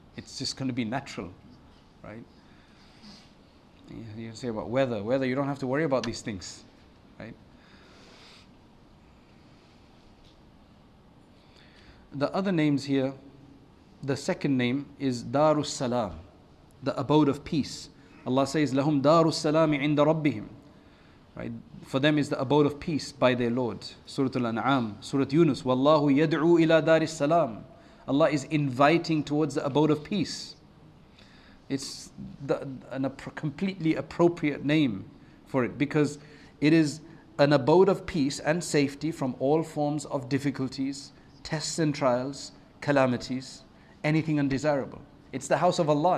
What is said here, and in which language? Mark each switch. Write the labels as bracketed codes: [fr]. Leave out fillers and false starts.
[en] It's just going to be natural, right? You say about weather, you don't have to worry about these things, right? The other names here, the second name is Darus Salam, the abode of peace. Allah says, [ar] لَهُمْ دَارُ السَّلَامِ عِنْدَ رَبِّهِمْ. [en] Right. For them is the abode of peace by their Lord. Surah Al-An'am, Surah Yunus. [ar] Wallahu yad'u ila daris salam. [en] Allah is inviting towards the abode of peace. It's a completely appropriate name for it, because it is an abode of peace and safety from all forms of difficulties, tests and trials, calamities, anything undesirable. It's the house of Allah.